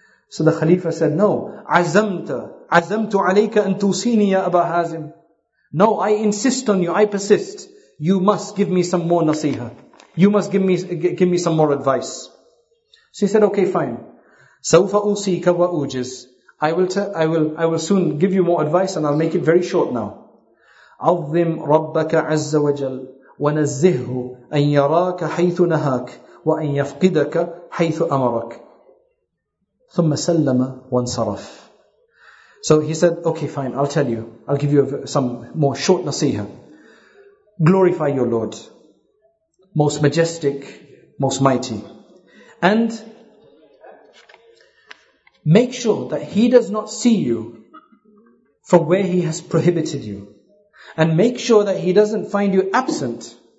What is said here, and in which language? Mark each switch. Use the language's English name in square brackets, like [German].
[English] So the Khalifa said, No, [Arabic] عَزَمْتُ عَلَيْكَ أَن تُوسِينِ يَا أَبَا حَازِمْ [English] No, I insist on you, I persist. You must give me some more nasiha. You must give me some more advice. So he said, Okay, fine. [Arabic] سَوْفَ أُوْسِيكَ وَأُوْجِزْ [English] I will soon give you more advice and I'll make it very short now. [Arabic] عَظِّمْ رَبَّكَ عَزَّ وَجَلْ وَنَزِّهُ أَنْ يَرَاكَ حَيْثُ نَهَاكَ وَأَنْ يَفْقِدَكَ حَيْثُ أَمَرَكَ ثُمَّ سَلَّمَ وَانْصَرَفْ [English] So he said, okay fine, I'll tell you. I'll give you some more short nasiha. Glorify your Lord. Most majestic, most mighty. And make sure that he does not see you from where he has prohibited you. And make sure that he doesn't find you absent